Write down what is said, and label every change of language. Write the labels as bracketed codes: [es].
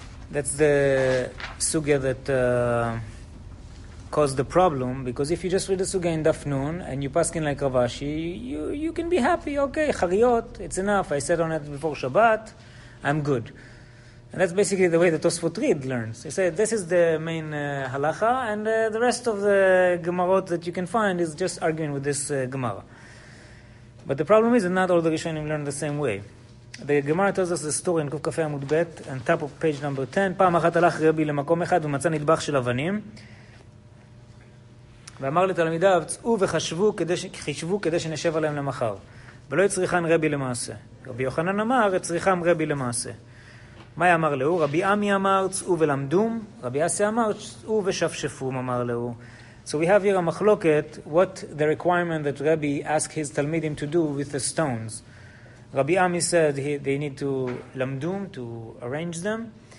[en] That's the sugya that caused the problem, because if you just read the sugya in Daf Nun and you pass in like Ravashi, you can be happy, okay, chariot, it's enough, I said on it before Shabbat, I'm good. And that's basically the way the Tosfot Rid learns. He said, this is the main halacha, and the rest of the gemarot that you can find is just arguing with this gemara. But the problem is that not all the Rishonim learn the same way. The Gemara tells us the story in Kuf Kaf Hei Amud Bet, on top of page number 10, [he] פעם אחת הלך רבי למקום אחד ומצא נדבך של אבנים, ואמר לתלמידיו, צאו וחשבו כדי שנשב עליהם למחר. ולא יצריכן רבי למעשה. רבי יוחנן אמר, יצריכם רבי למעשה. מה יאמר לו? רבי עמי אמר, צאו ולמדום. רבי אסי אמר, צאו ושפשפום, אמר לו. [en] So we have here a מחלוקת, what the requirement that Rabbi asked his תלמידים to do with the stones. Rabbi עמי said they need to למדום, to arrange them.